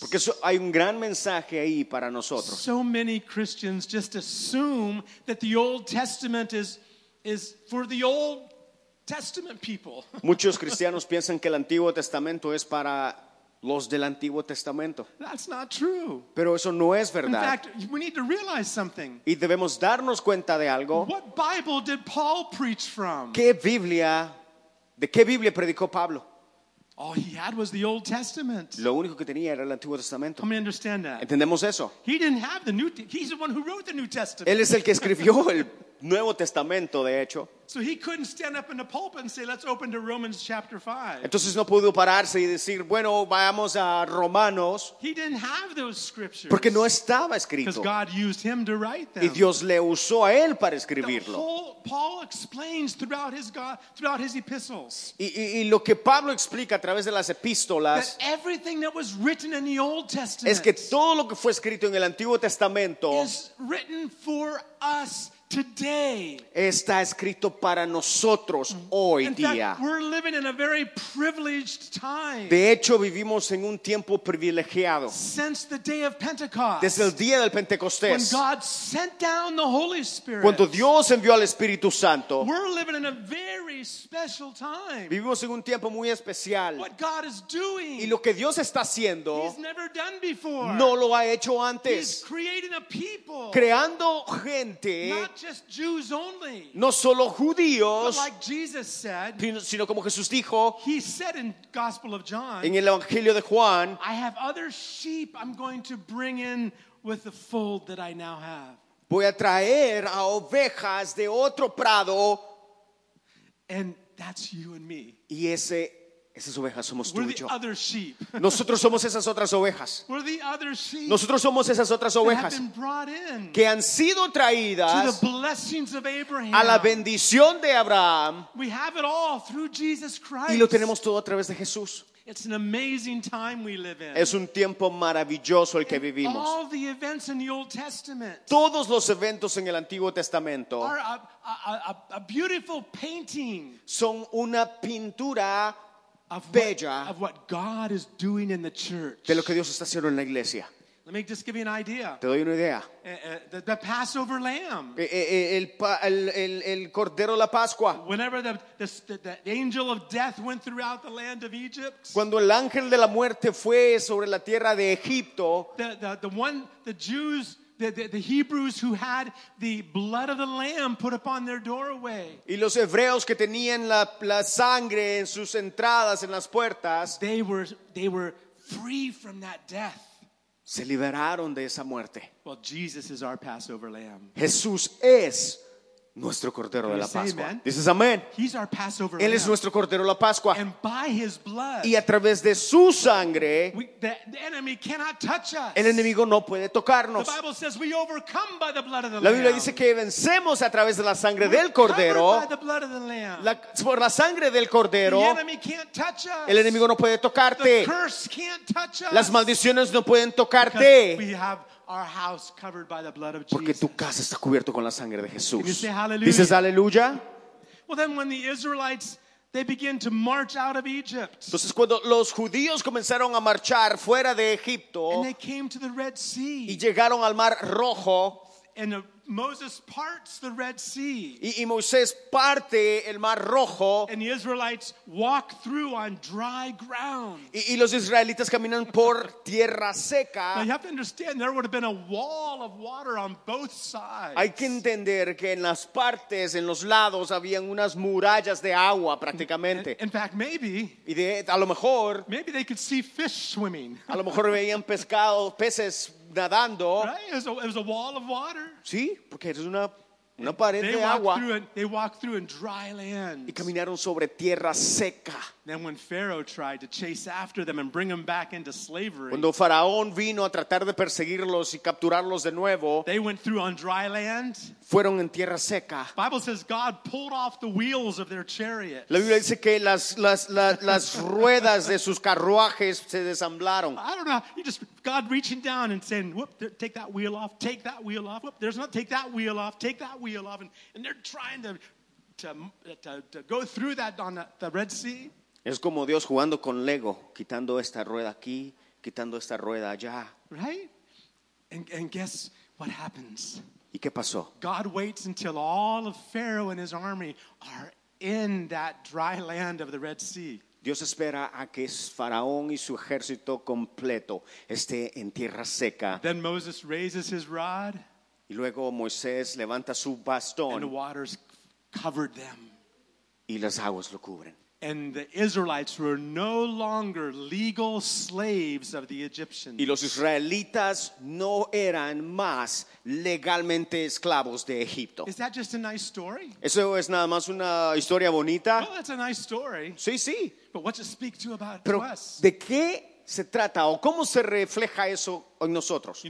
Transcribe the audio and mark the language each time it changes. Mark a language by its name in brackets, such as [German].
[Spanish] Porque hay un gran mensaje ahí para nosotros. [English] So many Christians just assume that the Old Testament is for the Old Testament people. [Spanish] Muchos cristianos piensan que el Antiguo Testamento es para los del Antiguo Testamento. [English] That's not true. [Spanish] Pero eso no es verdad. [English] In fact, we need to realize something. [Spanish] Y debemos darnos cuenta de algo. [English] What Bible did Paul preach from? [Spanish] ¿De qué Biblia predicó Pablo? [English] All he had was the Old Testament. [Spanish] Lo único que tenía era el Antiguo Testamento. [English] Let me understand that. [Spanish] ¿Entendemos eso? [English] He didn't have the New. He's the one who wrote the New Testament. [Spanish] Él es el que escribió el Nuevo Testamento, de hecho. [English] So he couldn't stand up in the pulpit and say, "Let's open to Romans chapter 5." [Spanish] Entonces no pudo pararse y decir, bueno, vayamos a Romanos. [English] He didn't have those scriptures. [Spanish] Porque no estaba escrito. [English] Because God used him to write them. [Spanish] Y Dios le usó a él para escribirlo. [English] Paul explains throughout his epistles. [Spanish] Y lo que Pablo explica a través de las epístolas. [English] That everything that was written in the Old Testament. [Spanish] Es que todo lo que fue escrito en el Antiguo Testamento. [English] Is written for us. Today, [Spanish] está escrito para nosotros hoy día. [English] We're living in a very privileged time. [Spanish] De hecho, vivimos en un tiempo privilegiado. [English] Since the day of Pentecost, [Spanish] desde el día del Pentecostés, [English] when God sent down the Holy Spirit, [Spanish] cuando Dios envió al Espíritu Santo, [English] we're living in a very special time. [Spanish] Vivimos en un tiempo muy especial. [English] What God is doing, [Spanish] y lo que Dios está haciendo, [English] He's never done before. [Spanish] No lo ha hecho antes. [English] He's creating a people, [Spanish] creando gente. [English] Not just Jews only. [Spanish] No solo judíos. [English] But like Jesus said, [Spanish] sino como Jesús dijo. [English] He said in the Gospel of John. [Spanish] En el Evangelio de Juan. [English] I have other sheep I'm going to bring in with the fold that I now have. [Spanish] Voy a traer a ovejas de otro prado. [English] And that's you and me. [Spanish] Y esas ovejas somos tú [English] We're [Spanish] y yo. [English] The other sheep. [Spanish] Nosotros somos esas otras ovejas. [English] We're the other sheep. [Spanish] Nosotros somos esas otras ovejas que han sido traídas [English] to the blessings of Abraham. [Spanish] A la bendición de Abraham. [English] We have it all through Jesus Christ. [Spanish] Y lo tenemos todo a través de Jesús. [English] It's an amazing time we live in. [Spanish] Es un tiempo maravilloso el que vivimos. [English] All the events in the Old Testament. [Spanish] Todos los eventos en el Antiguo Testamento. [English] Are a beautiful painting. [Spanish] Son una pintura. [English] Of what God is doing in the church. [Spanish] De lo que Dios está haciendo en la iglesia. [English] Let me just give you an idea. [Spanish] Te doy una idea. [English] The Passover lamb. [Spanish] El cordero de la Pascua. [English] Whenever the angel of death went throughout the land of Egypt. [Spanish] Cuando el ángel de la muerte fue sobre la tierra de Egipto. [English] The Hebrews who had the blood of the lamb put upon their doorway. [Spanish] Y los hebreos que tenían la sangre en sus entradas, en las puertas. [English] They were free from that death. [Spanish] Se liberaron de esa muerte. [English] Well, Jesus is our Passover lamb. [Spanish] Jesús es nuestro cordero de la Pascua. Dices amén. [English] He's our Passover lamb. [Spanish] Él es nuestro cordero de la Pascua. [English] And by his blood, [Spanish] y a través de su sangre, [English] the enemy cannot touch us. [Spanish] El enemigo no puede tocarnos. [English] The Bible says we overcome by the blood of the lamb. [Spanish] La Biblia dice que vencemos a través de la sangre del cordero. Por la sangre del cordero, [English] the enemy can't touch us. [Spanish] El enemigo no puede tocarte. [English] The curse can't touch us. [Spanish] Las maldiciones no pueden tocarte. [English] Our house covered by the blood of Jesus. [Spanish] Porque tu casa está cubierto con la sangre de Jesús. [English] Can you say hallelujah? [Spanish] Dices aleluya. [English] Well, then when the Israelites they begin to march out of Egypt. [Spanish] Entonces cuando los judíos comenzaron a marchar fuera de Egipto. [English] And they came to the Red Sea. [Spanish] Y llegaron al Mar Rojo. [English] And Moses parts the Red Sea. [Spanish] Y Moisés parte el Mar Rojo. [English] And the Israelites walk through on dry ground. [Spanish] Y los israelitas caminan por tierra seca. [English] Now you have to understand there would have been a wall of water on both sides. [Spanish] Hay que entender que en las partes, en los lados, habían unas murallas de agua prácticamente. [English] In fact, maybe. [Spanish] Y de, a lo mejor. [English] Maybe they could see fish swimming. [Spanish] A lo mejor veían pescado, peces. Nadando. [English] Right? It was a wall of water. [Spanish] Sí, porque es una pared [English] they [Spanish] de agua. [English] They walked through in dry land. [Spanish] Y caminaron sobre tierra seca. [English] Then when Pharaoh tried to chase after them and bring them back into slavery. [Spanish] Cuando Faraón vino a tratar de perseguirlos y capturarlos de nuevo. [English] They went through on dry land. [Spanish] Fueron en tierra seca. [English] The Bible says God pulled off the wheels of their chariots. [Spanish] La Biblia dice que las ruedas de sus carruajes se desamblaron. [English] I don't know. You just God reaching down and saying, "Whoop, take that wheel off. Take that wheel off. Whoop, there's not take that wheel off. Take that wheel off." And they're trying to go through that on the Red Sea. [Spanish] Es como Dios jugando con Lego, quitando esta rueda aquí, quitando esta rueda allá. [English] Right? And guess what happens? [Spanish] ¿Y qué pasó? [English] God waits until all of Pharaoh and his army are in that dry land of the Red Sea. [Spanish] Dios espera a que Faraón y su ejército completo esté en tierra seca. [English] Then Moses raises his rod, [Spanish] y luego Moisés levanta su bastón, [English] and the waters covered them. [Spanish] Y las aguas lo cubren. [English] And the Israelites were no longer legal slaves of the Egyptians. [Spanish] Y los israelitas no eran más legalmente esclavos de Egipto. [English] Is that just a nice story? [Spanish] ¿Eso es nada más una historia bonita? [English] Well, that's a nice story. [Spanish] Sí, sí. [English] But what does it speak to about [Spanish] Pero [English] to us? [Spanish] ¿De qué se trata o cómo se refleja eso en nosotros?